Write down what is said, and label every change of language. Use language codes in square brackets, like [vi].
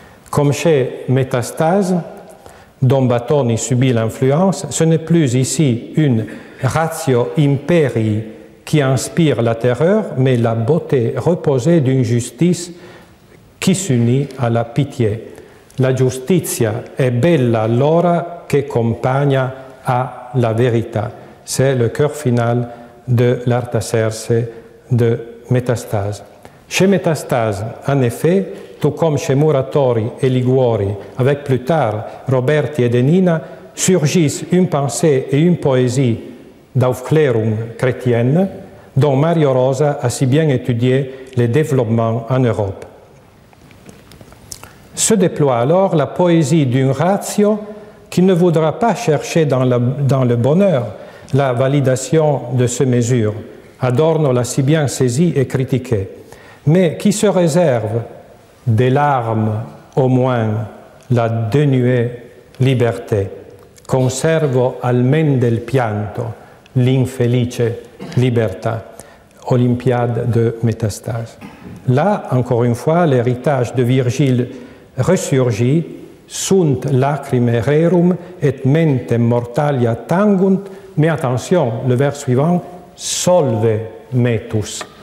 [fr] Comme chez Métastase, dont Battoni subit l'influence, ce n'est plus ici une [la] ratio imperii [fr] qui inspire la terreur, mais la beauté reposée d'une justice qui s'unit à la pitié. [it] La giustizia è bella allora che compagna a la verità. [fr] C'est le cœur final de l'Artaserse de Métastase. Chez Métastase, en effet, tout comme chez Muratori et Liguori, avec plus tard Roberti et Denina, surgissent une pensée et une poésie d'Aufklärung chrétienne, dont Mario Rosa a si bien étudié les développements en Europe. Se déploie alors la poésie d'une ratio qui ne voudra pas chercher dans le bonheur la validation de ses mesures. Adorno l'a si bien saisi et critiqué, mais qui se réserve des larmes, au moins, la dénuée liberté. [it] Conservo almeno del pianto, l'infelice libertà. [fr] Olympiade de Métastase. Là, encore une fois, l'héritage de Virgile ressurgit. [la] Sunt lacrime rerum et mente mortalia tangunt. [fr] Mais attention, le vers suivant, [la] solve metus.